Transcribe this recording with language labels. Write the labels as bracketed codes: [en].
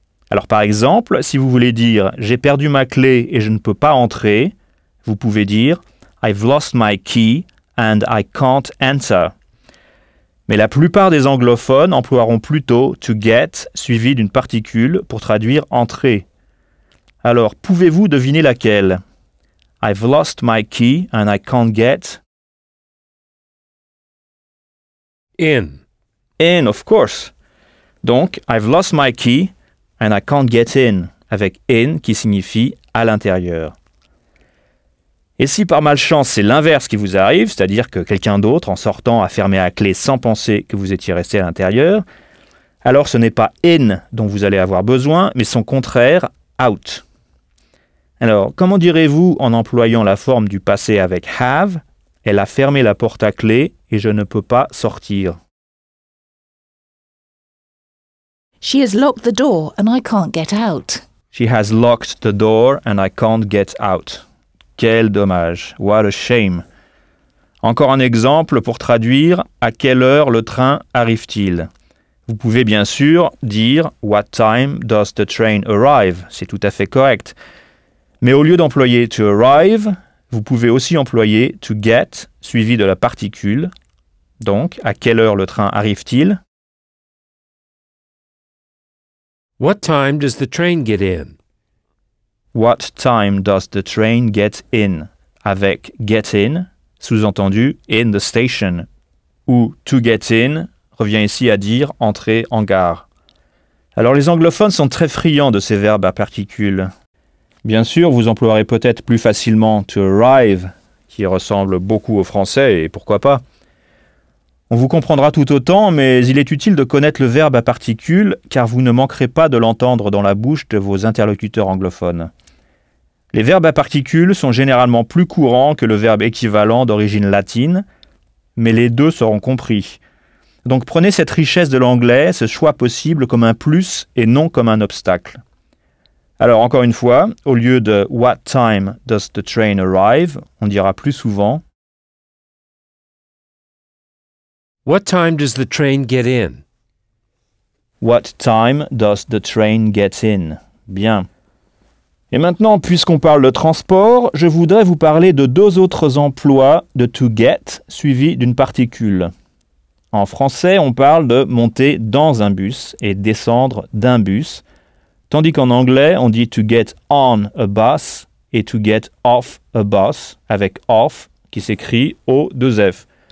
[fr] Alors par exemple, si vous voulez dire j'ai perdu ma clé et je ne peux pas entrer, vous pouvez dire [en] I've lost my key and I can't enter. [fr] Mais la plupart des anglophones emploieront plutôt to get suivi d'une particule pour traduire entrer. Alors, pouvez-vous deviner laquelle? [en] I've lost my key and I can't get. In. In, of course. Donc, I've lost my key and I can't get in, [fr] avec in qui signifie à l'intérieur. Et si par malchance c'est l'inverse qui vous arrive, c'est-à-dire que quelqu'un d'autre en sortant a fermé à clé sans penser que vous étiez resté à l'intérieur, alors ce n'est pas in dont vous allez avoir besoin, mais son contraire, out. Alors, comment direz-vous en employant la forme du passé avec have, elle a fermé la porte à clé et je ne peux pas sortir? [en] She has locked the door and I can't get out. She has locked the door and I can't get out. [fr] Quel dommage. [en] What a shame. [fr] Encore un exemple pour traduire à quelle heure le train arrive-t-il? Vous pouvez bien sûr dire [en] What time does the train arrive? [fr] C'est tout à fait correct. Mais au lieu d'employer to arrive, vous pouvez aussi employer to get suivi de la particule. Donc, à quelle heure le train arrive-t-il? [en] What time does the train get in? What time does the train get in? [fr] Avec get in, sous-entendu [en] in the station, [fr] ou to get in revient ici à dire entrer en gare. Alors les anglophones sont très friands de ces verbes à particules. Bien sûr, vous emploierez peut-être plus facilement to arrive, qui ressemble beaucoup au français, et pourquoi pas. On vous comprendra tout autant, mais il est utile de connaître le verbe à particules, car vous ne manquerez pas de l'entendre dans la bouche de vos interlocuteurs anglophones. Les verbes à particules sont généralement plus courants que le verbe équivalent d'origine latine, mais les deux seront compris. Donc prenez cette richesse de l'anglais, ce choix possible, comme un plus et non comme un obstacle. Alors encore une fois, au lieu de [en] What time does the train arrive? [fr] On dira plus souvent [en] What time does the train get in? What time does the train get in? [fr] Bien. Et maintenant, puisqu'on parle de transport, je voudrais vous parler de deux autres emplois de to get suivi d'une particule. En français, on parle de monter dans un bus et descendre d'un bus, tandis qu'en anglais, on dit [en] to get on a bus [fr] et [en] to get off a bus, [fr] avec off qui s'écrit O2F.